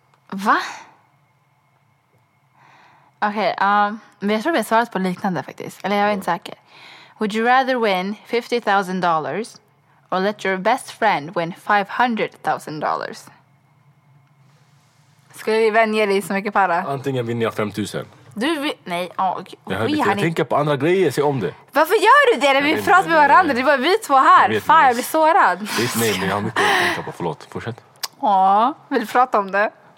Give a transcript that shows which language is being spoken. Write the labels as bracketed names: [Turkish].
[Swedish] Va? Okej, okay, jag tror vi har svarat på liknande faktiskt. Eller jag är inte säker. [English] Would you rather win $50,000 or let your best friend win $500,000? [Swedish] Skulle vi vänja dig så mycket para? Antingen vinner jag 5 000. Du vill... Nej, jag tänker på andra grejer, se om det. Varför gör du det när vi pratar med varandra? Det är bara vi två här. Fan, jag blir sårad. Det är inte mig, men jag har mycket att tänka på. Förlåt, fortsätt. Ja, vill prata om det?